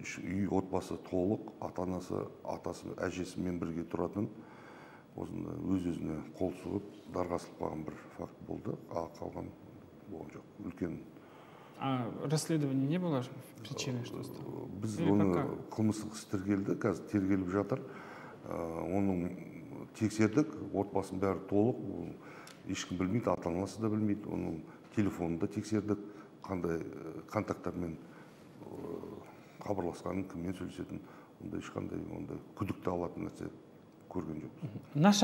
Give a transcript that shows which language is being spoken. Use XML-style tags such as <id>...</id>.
<kk>Үй отбасы толық, ата-анасы, атасы, әжесімен бірге тұратын. Осында өз-өзіне қол сұғып, дарға асылып қалған бір факт болды, а қалған болған жоқ. Үлкен.</kk> <ru>А расследование не было причиной, что стало?</ru> <kk>Біз оны қылмыстық іс тергелді, қазір тергеліп жатыр. Оның тексердік, отбасын бәрі толық, ешкім білмейді, ата-анасы да білмейді. Оның телефонын да тексердік, қандай контактармен хабарласқанын, кіммен сөйлесетін, онда ешқандай күдікті алатын нәрсе көрген жоқпыз.</kk>